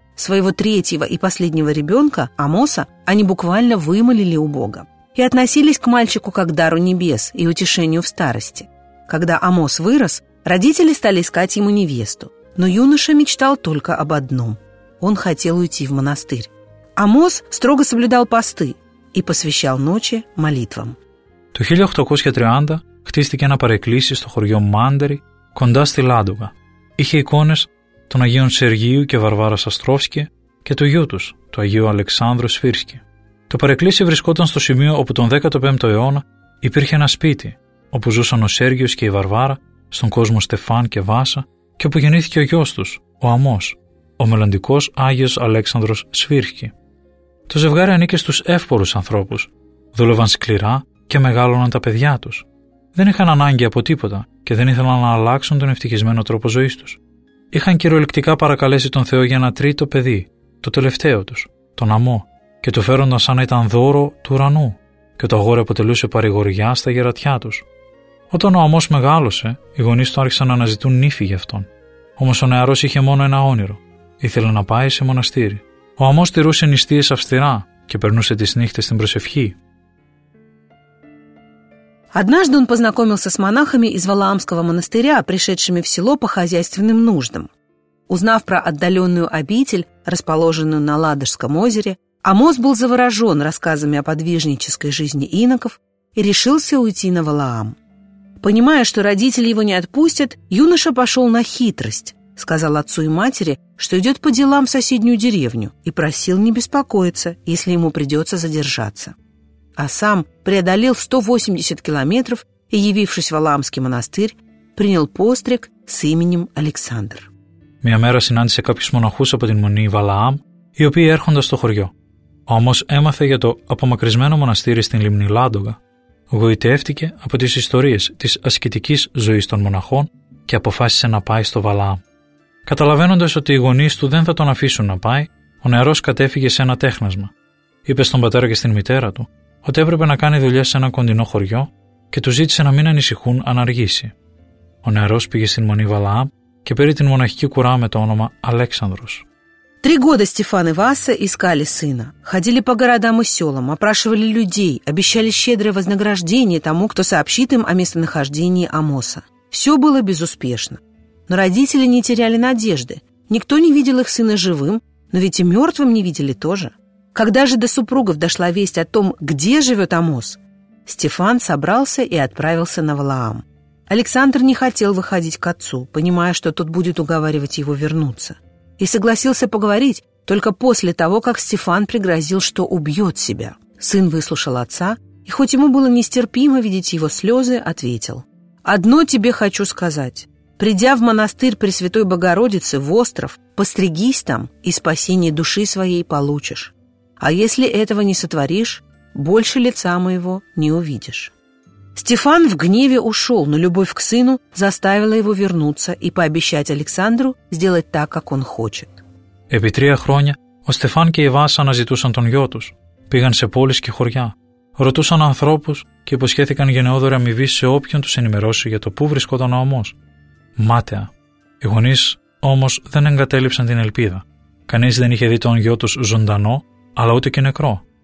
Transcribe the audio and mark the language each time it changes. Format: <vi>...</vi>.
<ru>Своего третьего и последнего ребенка, Амоса, они буквально вымолили у Бога и относились к мальчику как к дару небес и утешению в старости. Когда Амос вырос, родители стали искать ему невесту. Но юноша мечтал только об одном. Он хотел уйти в монастырь. Амос строго соблюдал посты и посвящал ночи молитвам.</ru> <el>Το 1830 χτίστηκε ένα παρεκκλήσι στο χωριό Μάντερι, κοντά στη Λάντογα. Είχε εικόνες των Αγίων Σεργίου και Βαρβάρας Αστρόφσκη και του γιού τους, του Αγίου Αλεξάνδρου Σφύρσκη. Το παρεκκλήσι βρισκόταν στο σημείο όπου τον 15ο αιώνα υπήρχε ένα σπίτι, όπου ζούσαν ο Σέργιος και η Βαρβάρα, στον κόσμο Στεφάν και Βάσα, και όπου γεννήθηκε ο γιος τους, ο Αμός, ο μελλοντικός Άγιος Αλέξανδρος Σφύρσκη. Το ζευγάρι ανήκε στους εύπορους ανθρώπους. Δούλευαν σκληρά και μεγάλωναν τα παιδιά τους. Δεν είχαν ανάγκη από τίποτα και δεν ήθελαν να αλλάξουν τον ευτυχισμένο τρόπο ζωής τους. Είχαν κυριολεκτικά παρακαλέσει τον Θεό για ένα τρίτο παιδί, το τελευταίο τους, τον Αμό, και το φέρονταν σαν να ήταν δώρο του ουρανού, και το αγόρι αποτελούσε παρηγοριά στα γερατιά τους. Όταν ο Αμός μεγάλωσε, οι γονείς του άρχισαν να αναζητούν νύφη για αυτόν. Όμως ο νεαρός είχε μόνο ένα όνειρο. Ήθελε να πάει σε μοναστήρι. Ο Αμός τηρούσε νηστείες αυστηρά και περνούσε τις νύχτες στην προσευχή.</el> <ru>Однажды он познакомился с монахами из Валаамского монастыря, пришедшими в село по хозяйственным нуждам. Узнав про отдаленную обитель, расположенную на Ладожском озере, Амос был заворожен рассказами о подвижнической жизни иноков и решился уйти на Валаам. Понимая, что родители его не отпустят, юноша пошел на хитрость, сказал отцу и матери, что идет по делам в соседнюю деревню и просил не беспокоиться, если ему придется задержаться. А сам преодолел 180 километров и, явившись в Валаамский монастырь, принял постриг с именем Александр.</ru> <el>Μια μέρα συνάντησε κάποιους μοναχούς από την Μονή Βαλαάμ, οι οποίοι έρχονταν στο χωριό. Ο Αμός έμαθε για το απομακρυσμένο μοναστήρι στην λίμνη Λάντογα, γοητεύτηκε από τις ιστορίες της ασκητικής ζωής των μοναχών και αποφάσισε να πάει στο Βαλαάμ. Καταλαβαίνοντας ότι οι γονείς του δεν θα τον αφήσουν να πάει, ο νεαρός κατέφυγε σε ένα τέχνασμα. Είπε στον πατέρα και στην μητέρα του ότι έπρεπε να κάνει δουλειά σε ένα κοντινό χωριό και του ζήτησε να μην ανησυχούν αν αργήσει. Ο νεαρός πήγε στην Μονή Βαλαάμ και πήρε την μοναχική κουρά με το όνομα Αλέξανδρος.</el> <ru>Три года Стефан и Васа искали сына. Ходили по городам и селам, опрашивали людей, обещали щедрое вознаграждение тому, кто сообщит им о местонахождении Амоса. Все было безуспешно. Но родители не теряли надежды. Никто не видел их сына живым, но ведь и мертвым не видели тоже. Когда же до супругов дошла весть о том, где живет Амос, Стефан собрался и отправился на Валаам. Александр не хотел выходить к отцу, понимая, что тот будет уговаривать его вернуться. И согласился поговорить только после того, как Стефан пригрозил, что убьет себя. Сын выслушал отца, и хоть ему было нестерпимо видеть его слезы, ответил. «Одно тебе хочу сказать. Придя в монастырь Пресвятой Богородицы, в остров, постригись там, и спасение души своей получишь. А если этого не сотворишь, больше лица моего не увидишь». Стефан в гневе ушел, но любовь к сыну заставила его вернуться и пообещать Александру сделать так, как он хочет.</ru> <el>Επί τρία χρόνια ο Στεφάν και η Βάσα αναζητούσαν τον γιο τους, πήγαν σε πόλεις και χωριά, ρωτούσαν ανθρώπους και υποσχέθηκαν γενναιόδωρη αμοιβή σε όποιον τους ενημερώσει για το πού βρισκόταν ο Αμός. Μάταια. Οι γονείς όμως δεν εγκατέλειψαν την ελπίδα. Κανείς δεν είχε δει τον γιο τους ζωντανό, αλλά ούτε και νεκρό.</el>